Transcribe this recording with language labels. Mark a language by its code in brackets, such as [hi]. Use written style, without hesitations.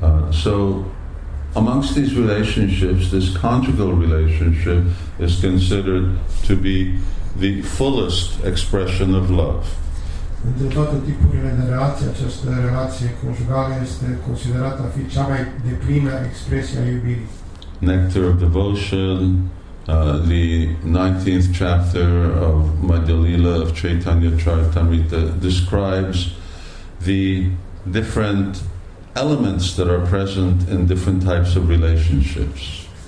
[en] So, amongst these relationships, this conjugal relationship is considered to be the fullest expression of love. [ro] Între toate tipurile de relații, această relație conjugală este considerată a fi cea mai deplină expresie a iubirii. [en] Nectar of devotion. The 19th chapter of Madhya Lila of Chaitanya Charitamrita describes the different elements that are present in different types of relationships.